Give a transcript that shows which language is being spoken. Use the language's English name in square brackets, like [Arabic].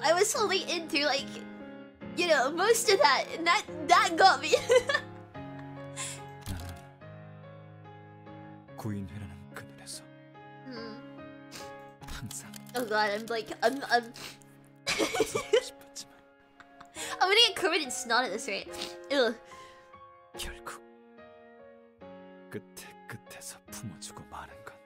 [English] I was totally into, like, you know, most of that, and that got me. [Korean] 나는 구인회라는 그늘에서 항상. [English] Oh god, I'm like, I'm. I'm gonna get covered in snot at this rate. Ugh. [Korean] 결국 끝에 끝에서 품어주고 마는.